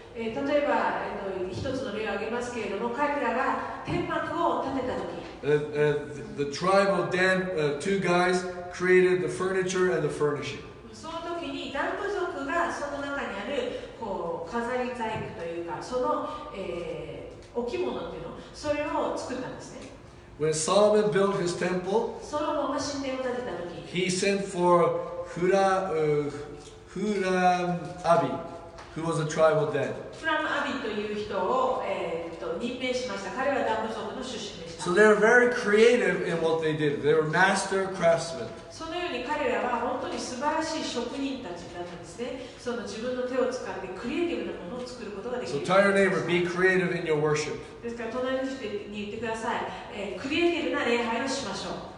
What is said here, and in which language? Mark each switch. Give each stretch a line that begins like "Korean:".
Japanese: 例えば、一つの例を挙げますけれども、彼らが天幕を建てたとき。
English: The tribe of Dan, two guys created the furniture and the furnishing.
Japanese: そのときに、ダン部族がその中にあるこう飾り細工というか、その、置物というの、それを作ったんですね。
English: When Solomon built his temple,
Japanese: ソロモンが神殿を建てたとき、
English: he sent for Huram Abi. Who was a tribal Dan?
Japanese: From Abi という人を任命しました。彼はダン部族の出身でした。
English: So they were very creative in what they did. They were master craftsmen.
Japanese: そのように彼らは本当に素晴らしい職人たちだったんですね。その自分の手を使ってクリエイティブなものを作ることができる。
English: So tell your neighbor, be creative in your worship.
Japanese: ですから隣の人に言ってください。クリエイティブな礼拝をしましょう。